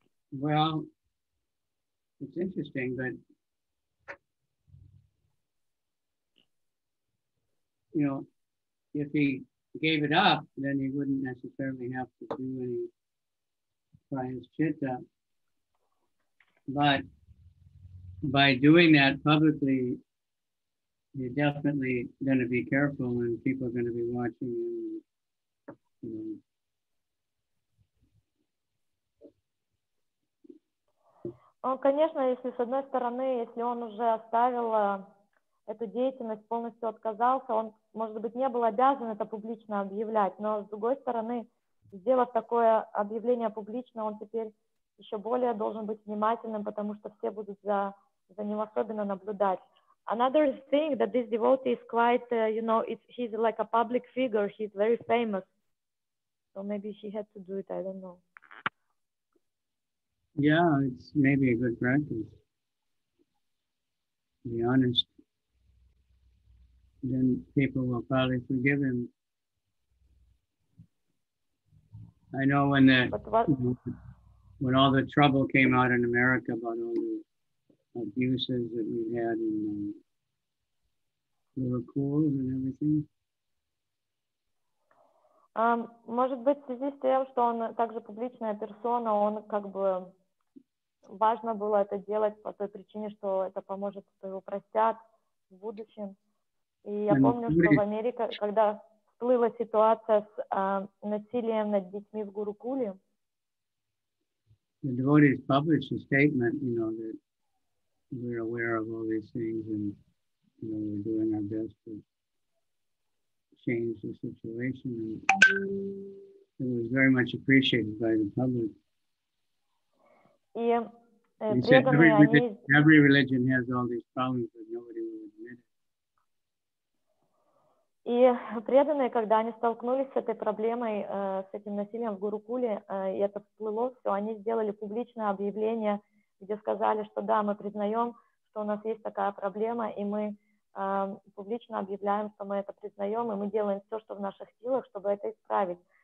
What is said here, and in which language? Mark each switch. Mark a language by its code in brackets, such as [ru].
[en] Well, it's interesting, but you know, if he gave it up, then he wouldn't necessarily have to do any prayashchita. But by doing that publicly, you're definitely going to be careful, and people are going to be watching you. And, you know, [ru] Конечно, если с одной стороны, если он уже оставил эту деятельность, полностью отказался, он, может быть, не был обязан это публично объявлять, но с другой стороны, сделав такое объявление публично, он теперь еще более должен быть внимательным, потому что все будут за ним особенно наблюдать. [en] Another thing that this devotee is quite, you know, he's like a public figure, he's very famous. So maybe he had to do it, I don't know. Yeah, it's maybe a good practice. To be honest, then people will probably forgive him. I know when all the trouble came out in America about all the abuses that we had in the Liverpool and everything. [ru] Может быть, в связи с тем, что он также публичная персона, он как бы важно было это делать по той причине, что это поможет, что его простят в будущем. И я помню, что в Америке, когда всплыла ситуация с насилием над детьми в Гурукуле, [en] the devotees published a statement, you know, that we're aware of all these things and, you know, we're doing our best to change the situation. And it was very much appreciated by the public. He said every religion has all these problems, but nobody will admit it. [ru] И преданные, когда они столкнулись с этой проблемой, с этим насилием в Гурукуле, и это всплыло, все, они сделали публичное объявление, где сказали, что да, мы признаем, что у нас есть такая проблема, и мы публично объявляем, что мы это признаем, и мы делаем все, что в наших силах, чтобы это исправить.